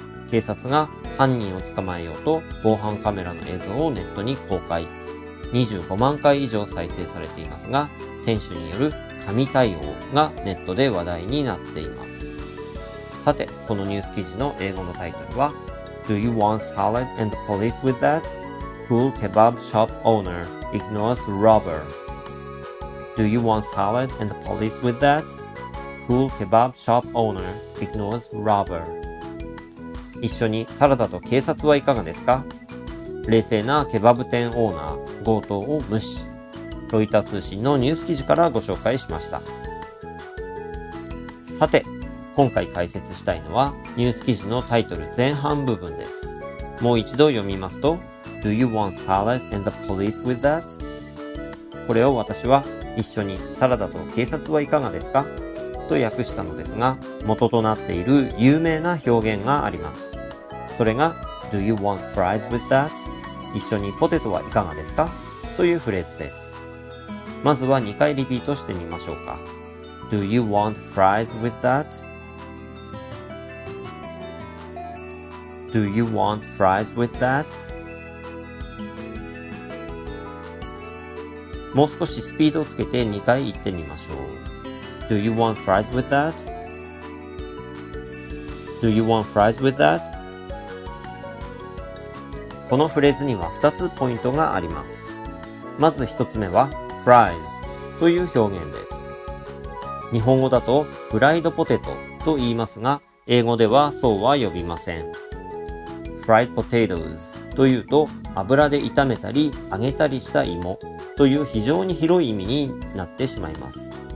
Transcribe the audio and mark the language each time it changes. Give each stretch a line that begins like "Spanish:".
Japanese: 警察が犯人を捕まえようと防犯カメラの映像をネットに公開、25万回以上再生されていますが、店主による神対応がネットで話題になっています。さて、このニュース記事の英語のタイトルは
English: Do you want salad and the police with that? Cool kebab shop owner ignores robber。 Do you want salad and the police with that? Cool kebab shop owner ignores robber。
Japanese: 一緒にサラダと警察はいかがですか？冷静なケバブ店オーナー、強盗を無視。ロイター通信のニュース記事からご紹介しました。さて、今回解説したいのはニュース記事のタイトル前半部分です。もう一度読みますと、
English: Do you want salad and the police with that?
Japanese: これを私は一緒にサラダと警察はいかがですか？と訳したのですが、元となっている有名な表現があります。それが
English: Do you want fries with that?
Japanese: 一緒にポテトはいかがですか、というフレーズです。まずは2回リピートしてみましょうか。
English: Do you want fries with that? Do you want fries with that?
Japanese: もう少しスピードをつけて2回言ってみましょう。 Do you want fries with that? Do you want fries with that? このフレーズには2つポイントがあります。まず1つ目は fries という表現です。日本語だとフライドポテトと言いますが、英語ではそうは呼びません。 Fried potatoes というと油で炒めたり揚げたりした芋という非常に広い意味になってしまいます。